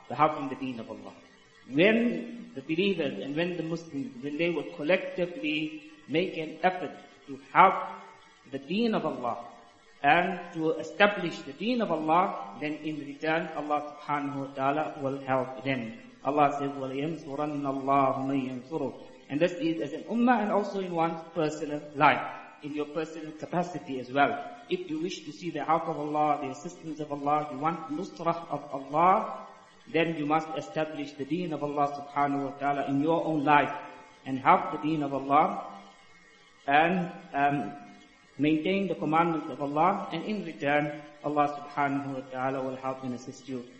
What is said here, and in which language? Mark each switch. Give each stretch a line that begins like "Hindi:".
English: to help in the deen of Allah. When the believers and when the Muslims, when they would collectively make an effort to help the deen of Allah and to establish the deen of Allah, then in return Allah subhanahu wa ta'ala will help them. Allah says,
Arabic: وَلَيَنْصُرَنَّ اللَّهُ مَنْ يَنْصُرُهُ.
English: And this is as an ummah and also in one's personal life, in your personal capacity as well. If you wish to see the help of Allah, the assistance of Allah, you want nusrah of Allah, then you must establish the deen of Allah subhanahu wa ta'ala in your own life and help the deen of Allah and maintain the commandments of Allah, and in return Allah subhanahu wa ta'ala will help and assist you.